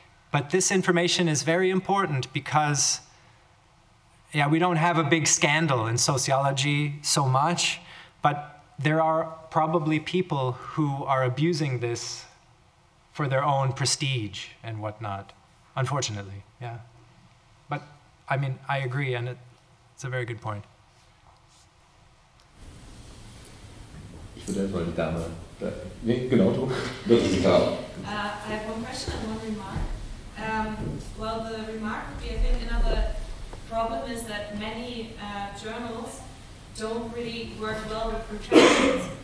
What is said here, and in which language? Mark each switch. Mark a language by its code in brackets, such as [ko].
[en] But this information is very important because, yeah, we don't have a big scandal in sociology so much, but there are probably people who are abusing this for their own prestige and whatnot, unfortunately, yeah. But, I mean, I agree, and it's a very good point. [de] Ich würde erstmal die Dame, nee, genau, du, das ist klar. [en] I have one question and one remark. Well, the remark would be, I think another problem is that many journals don't really work well with projections.